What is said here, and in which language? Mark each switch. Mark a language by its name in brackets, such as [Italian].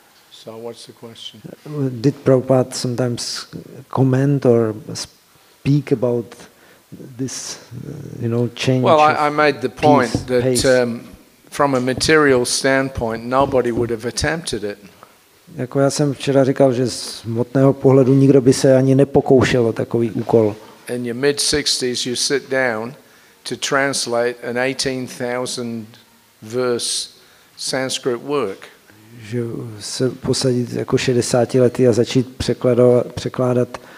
[English] So what's the question? Did Prabhupada sometimes comment or speak about this, you know, change? Well, I made the point that from a material standpoint, nobody would have attempted it. [Czech] Jako já jsem včera říkal, že z hmotného pohledu nikdo by se ani nepokoušel o takový úkol. [English] In your mid 60s you sit down to translate an 18,000 verse Sanskrit work. [Czech] Že se posadit jako 60 lety a začít překládat